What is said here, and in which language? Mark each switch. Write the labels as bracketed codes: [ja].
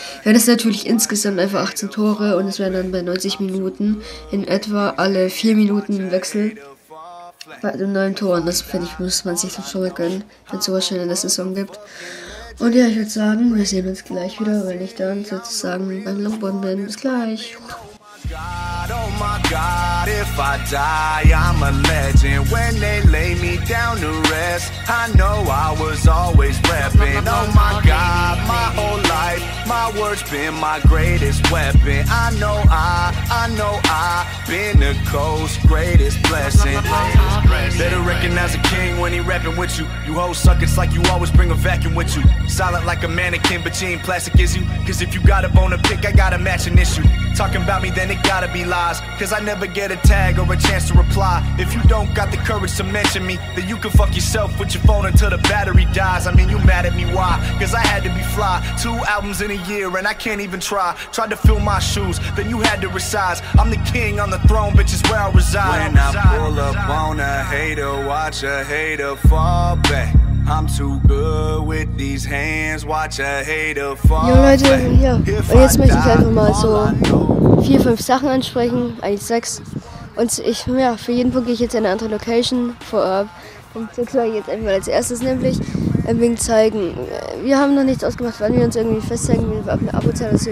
[de] Wären es natürlich insgesamt einfach 18 Tore und es wären dann bei 90 Minuten in etwa alle 4 Minuten im Wechsel bei den 9 Toren. Das finde ich, muss man sich schon mal gönnen, wenn es sowas schön in der Saison gibt. Und ja, ich würde sagen, wir sehen uns gleich wieder, wenn ich dann sozusagen beim Longboard bin. Bis gleich. [en] Oh my God, if I die, I'm a legend. When they lay me down to rest, I know I was always repping. Oh my God, my whole life, my words been my greatest weapon. I know I been the coast greatest blessing. Better recognize a king when he rapping with you. You hoes suck, it's like you always bring a vacuum with you. Solid like a mannequin, but you ain't plastic, is you? Cause if you got a bone to pick, I got a matching issue. Talking about me, then it gotta be lies. Cause I never get a tag or a chance to reply. If you don't got the courage to mention me, then you can fuck yourself with your phone until the battery dies. I mean, you mad at me, why? Cause I had to be fly. 2 albums in a year and I can't even try. Tried to fill my shoes, then you had to resize. I'm the king on the throne, bitch, is where I reside. When I pull up on a hater, watch a hater fall back. I'm too good with these hands, watch a hater fall. [de] Yo Leute, ja. Und jetzt möchte ich einfach mal so 4, 5 Sachen ansprechen, eigentlich 6. Und ich, ja, für jeden Punkt gehe ich jetzt in eine andere Location vorab. Und 6 war jetzt einfach mal als erstes, nämlich wegen zeigen. Wir haben noch nichts ausgemacht, wann wir uns irgendwie festzeigen, wenn wir auf eine Abo-Zahl oder so.